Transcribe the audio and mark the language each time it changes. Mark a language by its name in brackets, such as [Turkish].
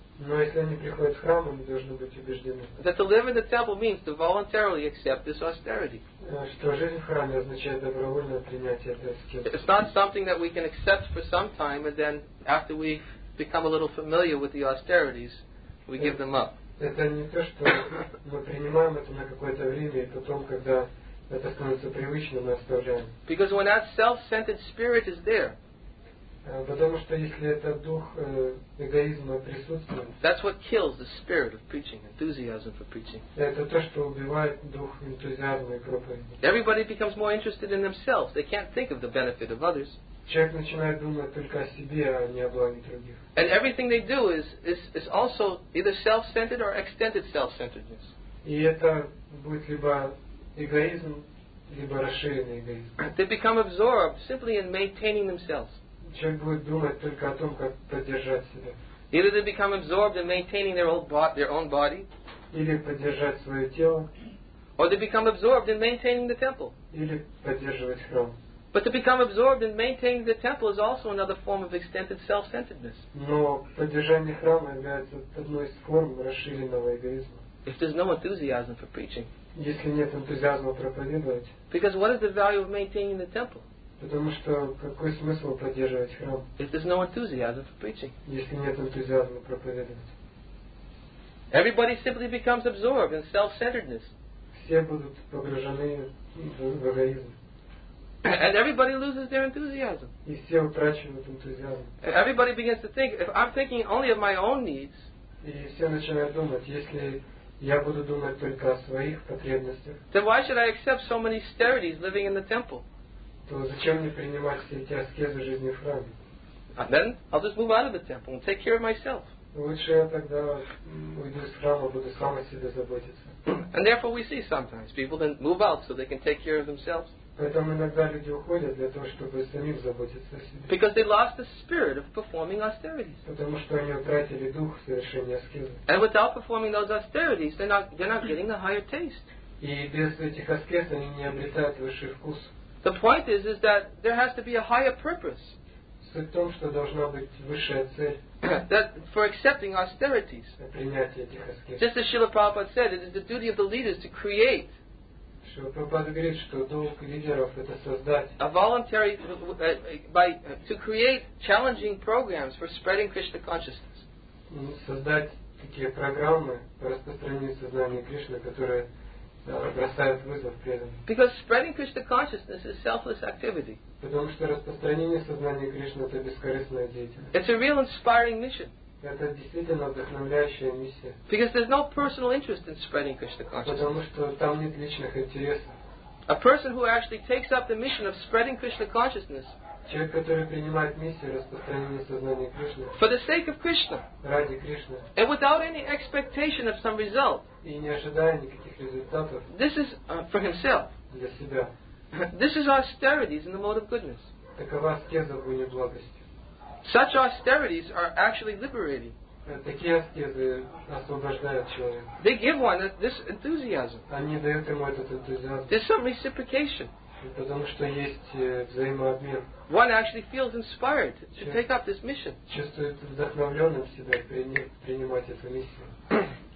[English] That to live in the temple means to voluntarily accept this austerity. It's not something that we can accept for some time and then after we become a little familiar with the austerities, we give them up. [Russian] Это не то, что мы принимаем это на какое-то время и потом, когда это становится привычным, мы оставляем. [English] Because when that self-centered spirit is there, [Russian] потому что если этот дух эгоизма присутствует, [English] that's what kills the spirit of preaching, enthusiasm for preaching. [Russian] Это то, что убивает дух энтузиазма и проповеди. [English] Everybody becomes more interested in themselves. They can't think of the benefit of others. [Russian] Человек начинает думать только о себе, а не о благе других. [English] And everything they do is also either self-centered or extended self-centeredness. [Russian] И это будет либо эгоизм, либо расширенный эгоизм. [English] They become absorbed simply in maintaining themselves. [Russian] Человек будет думать только о том, как поддержать себя. [English] Either they become absorbed in maintaining their own body. [Russian] Или поддержать свое тело. [English] Or they become absorbed in maintaining the temple. [Russian] Или поддерживать храм. [English] But to become absorbed in maintaining the temple is also another form of extended self-centeredness. [Russian] Но поддержание храма является одной из форм расширенного эгоизма. [English] If there's no enthusiasm for preaching. [Russian] Если нет энтузиазма проповедовать. [English] Because what is the value of maintaining the temple? [Russian] Потому что какой смысл поддерживать храм? [English] If there's no enthusiasm for preaching. [Russian] Если нет энтузиазма проповедовать. [English] Everybody simply becomes absorbed in self-centeredness. [Russian] все будут погружены в эгоизм. [English] And everybody loses their enthusiasm. [Russian] И все утрачивают энтузиазм. [English] Everybody begins to think, if I'm thinking only of my own needs. [Russian] И все начинают думать, если я буду думать только о своих потребностях. [English] Then why should I accept so many austerities living in the temple? [Russian] То зачем мне принимать все эти аскезы жизни в храме? [English] And then I'll just move out of the temple and take care of myself. [Russian] Лучше я тогда уйду из храма, буду сам о себе заботиться. [English] And therefore we see sometimes people then move out so they can take care of themselves. [Russian] Поэтому иногда люди уходят для того, чтобы самим заботиться о себе. [English] Because they lost the spirit of performing austerities. [Russian] Потому что они утратили дух совершения аскезы. [English] And without performing those austerities, they're not getting the higher taste. [Russian] И без этих аскез они не обретают высший вкус. [English] The point is that there has to be a higher purpose. [Russian] Суть в том, что должна быть высшая цель. [English] That for accepting austerities. [Russian] Принятие этих аскез. [English] Just as Srila Prabhupada said, it is the duty of the leaders to create. [Russian] Шрила Прабхупада говорит, что долг лидеров это создать. [English] A voluntary to create challenging programs for spreading Krishna consciousness. [Russian] Создать такие программы по распространению сознания Кришны, которые бросают вызов преданным. [English] Because spreading Krishna consciousness is selfless activity. [Russian] Потому что распространение сознания Кришны это бескорыстная деятельность. [English] It's a real inspiring mission. [Russian] Это действительно вдохновляющая миссия. [English] Because there's no personal interest in spreading Krishna consciousness. [Russian] Потому что там нет личных интересов. [English] A person who actually takes up the mission of spreading Krishna consciousness. [Russian] Человек, который принимает миссию распространения сознания Кришны. [English] For the sake of Krishna. [Russian] Ради Кришны. [English] And without any expectation of some result. [Russian] И не ожидая никаких результатов. [English] This is for himself. [Russian] Для себя. [English] This is austerities in the mode of goodness. [Russian] Такова аскеза в уме благости. [English] Such austerities are actually liberating. [Russian] Такие аскезы освобождают человека. [English] They give one this enthusiasm. [Russian] Они дают ему этот энтузиазм. [English] There's some reciprocation. [Russian] Потому что есть взаимообмен. [English] One actually feels inspired to take up this mission. [Russian] Чувствует вдохновленным себя принимать эту миссию.